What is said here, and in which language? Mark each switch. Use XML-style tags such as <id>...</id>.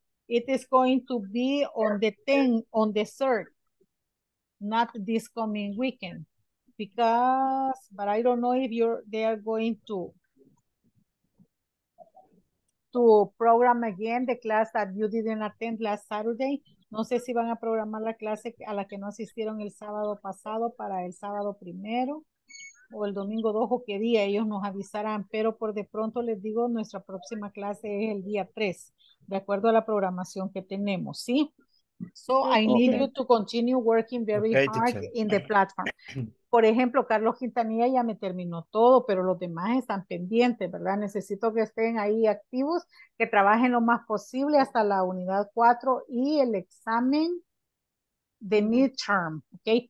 <en>It is going to be on the third, not this coming weekend. But I don't know if they are going to program again the class that you didn't attend last Saturday.</en> <es>No sé si van a programar la clase a la que no asistieron el sábado pasado para el sábado primero o el domingo 2 o qué día, ellos nos avisarán. Pero por de pronto les digo, nuestra próxima clase es el día 3, de acuerdo a la programación que tenemos, ¿sí?</es> <en>So I need you to continue working very hard in the platform.</en> <es>Por ejemplo, Carlos Quintanilla ya me terminó todo, pero los demás están pendientes, ¿verdad? Necesito que estén ahí activos, que trabajen lo más posible hasta la unidad 4 y el examen de midterm, ¿ok?</es>